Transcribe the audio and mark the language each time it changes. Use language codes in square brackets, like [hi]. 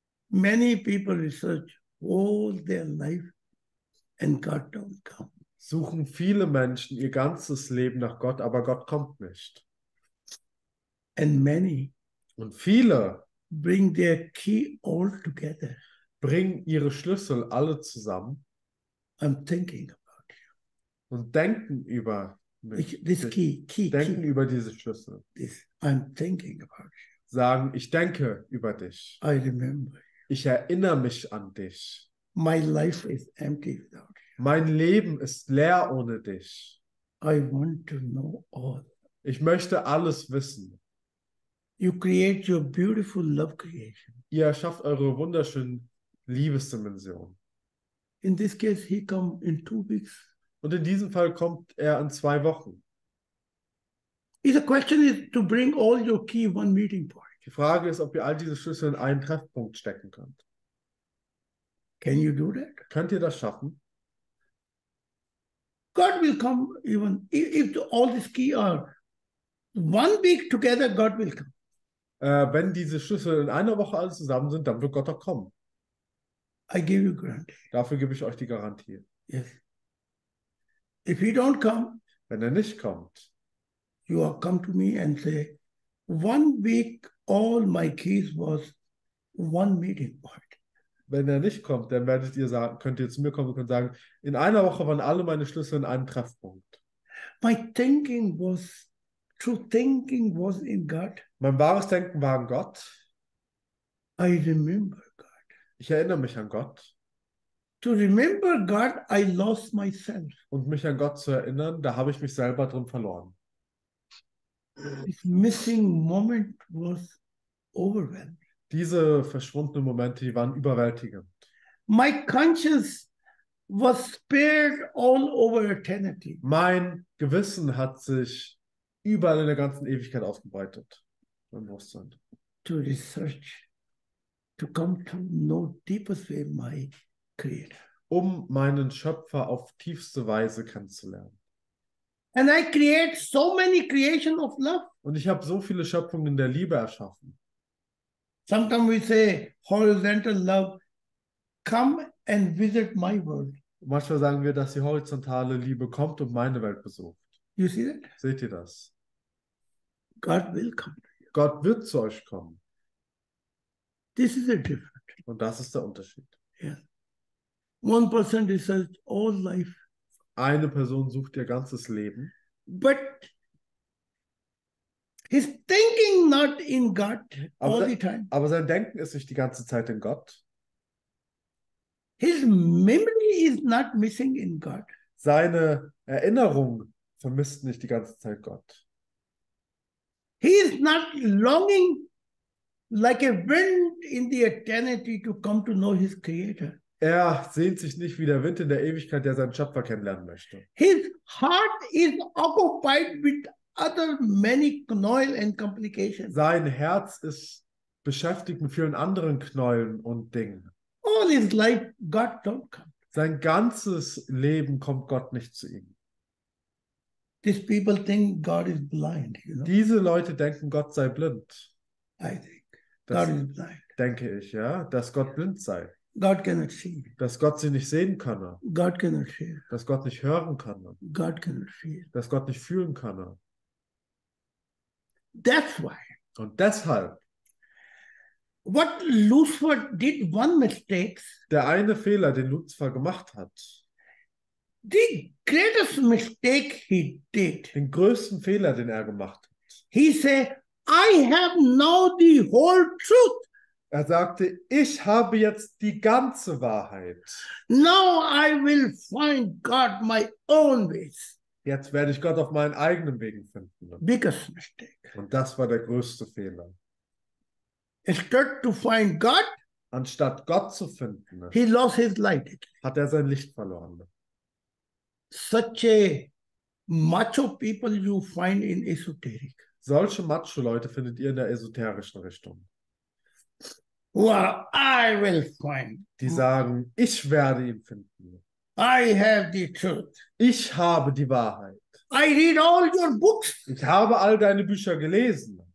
[en] Many people research all their life and God don't come. [de] Suchen viele Menschen ihr ganzes Leben nach Gott, aber Gott kommt nicht. [en] And many [de] und viele [en] bring their key all together. [de] Bringen ihre Schlüssel alle zusammen. [en] I'm thinking about you. [de] Und denken über mich. [en] This key. [de] Denken [en] key. [de] Über diese Schlüssel. [en] This, I'm thinking about you. [de] Sagen, ich denke über dich. [en] I remember you. [de] Ich erinnere mich an dich. [en] My life is empty without you. [de] Mein Leben ist leer ohne dich. [en] I want to know all. [de] Ich möchte alles wissen. [en] You create your beautiful love creation. [de] Ihr schafft eure wunderschönen Liebesdimension. [en] In this case, he come in 2 weeks. [de] Und in diesem Fall kommt er in 2 Wochen. [en] The question is to bring all your key one meeting point. [de] Die Frage ist, ob ihr all diese Schlüssel in einen Treffpunkt stecken könnt. [en] Can you do that? [de] Könnt ihr das schaffen? [en] God will come even if all these keys are 1 week together, God will come. [de] Wenn diese Schlüssel in einer Woche alle zusammen sind, dann wird Gott auch kommen. [en] I give you guarantee. [de] Dafür gebe ich euch die Garantie. [en] Yes. If he don't come, [de] wenn er nicht kommt, [en] you are come to me and say, 1 week all my keys was one meeting point. [de] Wenn er nicht kommt, dann werdet ihr sagen, könnt ihr zu mir kommen und sagen, in einer Woche waren alle meine Schlüssel in einem Treffpunkt. [en] My thinking was, true thinking was in God. [de] Mein wahres Denken war an Gott. [en] I remember God. [de] Ich erinnere mich an Gott. [en] To remember God, I lost myself. [de] Und mich an Gott zu erinnern, da habe ich mich selber drin verloren. [en] This missing moment was overwhelming. [de] Diese verschwundenen Momente, die waren überwältigend. [en] My conscience was spared all over eternity. [de] Mein Gewissen hat sich überall in der ganzen Ewigkeit ausgebreitet. Mein Bewusstsein. [en] To research, to come to know deepest way my creator. [de] Um meinen Schöpfer auf tiefste Weise kennenzulernen. [en] And I create so many creation of love. [de] Und ich habe so viele Schöpfungen in der Liebe erschaffen. [en] Sometimes we say horizontal love, come and visit my world. [de] Manchmal sagen wir, dass die horizontale Liebe kommt und meine Welt besucht. [en] You see that? [de] Seht ihr das? [en] God will come to you. [de] Gott wird zu euch kommen. [en] This is a different. [de] Und das ist der Unterschied. [en] Yeah. One person researches all life. [de] Eine Person sucht ihr ganzes Leben. [en] But he's thinking not in God all the time. [de] Aber sein Denken ist nicht die ganze Zeit in Gott. [en] His memory is not missing in God. [de] Seine Erinnerung vermisst nicht die ganze Zeit Gott. [en] He is not longing like a wind in the eternity to come to know his creator. [de] Er sehnt sich nicht wie der Wind in der Ewigkeit, der seinen Schöpfer kennenlernen möchte. [en] His heart is occupied with other many Knäuel and complications. [de] Sein Herz ist beschäftigt mit vielen anderen Knäueln und Dingen. [en] All his life, God don't come. [de] Sein ganzes Leben kommt Gott nicht zu ihm. [en] These people think God is blind. You know? [de] Diese Leute denken, Gott sei blind. [en] I think. God is blind. [de] Denke ich, ja, dass Gott blind sei. [en] God cannot see. [de] Dass Gott sie nicht sehen könne. [en] God cannot hear. [de] Dass Gott nicht hören könne. [en] God cannot feel. [de] Dass Gott nicht fühlen könne. [en] That's why. [de] Und deshalb. [en] What Lucifer did one mistake. [de] Der eine Fehler, den Lucifer gemacht hat. [en] The greatest mistake he did. [de] Den größten Fehler, den er gemacht hat. [en] He said, I have now the whole truth. [de] Er sagte, ich habe jetzt die ganze Wahrheit. [en] Now I will find God my own ways. [de] Jetzt werde ich Gott auf meinen eigenen Wegen finden. [en] Biggest mistake. [de] Und das war der größte Fehler. [en] Instead to find God, [de] anstatt Gott zu finden, [en] he lost his light. [de] Hat sein Licht verloren. [en] Such a macho people you find in esoteric. [de] Solche Macho-Leute findet ihr in der esoterischen Richtung. [en] Well, I will find. [de] Die sagen, ich werde ihn finden. [en] I have the truth. [de] Ich habe die Wahrheit. [en] I read all your books. [de] Ich habe all deine Bücher gelesen.